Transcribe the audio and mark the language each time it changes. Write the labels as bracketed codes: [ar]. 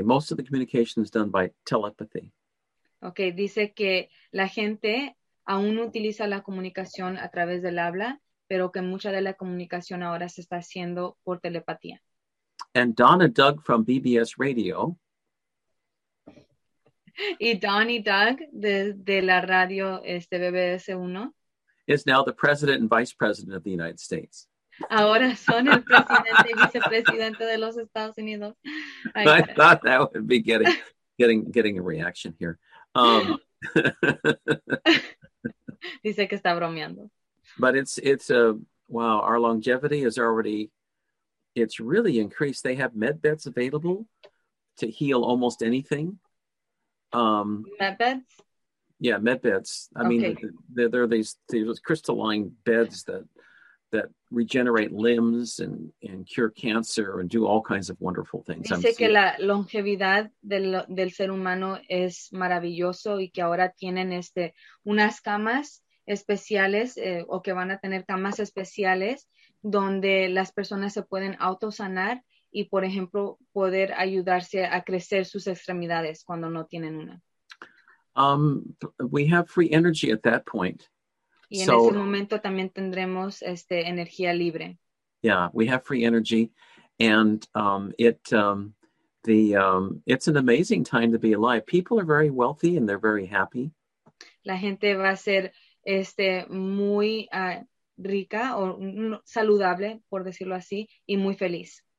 [en] Most of the communication is done by telepathy. [es] Okay, dice que la gente aún utiliza la comunicación a través del habla, pero que mucha de la comunicación ahora se está haciendo por telepatía. [en] And Donna Doug from BBS Radio. [es] Y Donnie Doug de la radio BBS 1 [en] is now the president and vice president of the United States. [es] Ahora son el presidente y vicepresidente de los Estados Unidos. [en] I thought that would be getting a reaction here. [es] Dice que está bromeando. [en] But it's a Wow, our longevity is already, it's really increased. They have med beds available to heal almost anything. Med beds? Yeah, med beds. I mean, they're these crystalline beds that regenerate limbs and cure cancer and do all kinds of wonderful things. [es] Dice que la longevidad del ser humano es maravilloso y que ahora tienen unas camas especiales o que van a tener camas especiales donde las personas se pueden autosanar y, por ejemplo, poder ayudarse a crecer sus extremidades cuando no tienen una. [en] We have free energy at that point. [es] Y en ese momento también tendremos energía libre. [en] Yeah, we have free energy, and it's an amazing time to be alive. People are very wealthy and they're very happy. [es] La gente va a ser muy rica o saludable, por decirlo así, y muy feliz.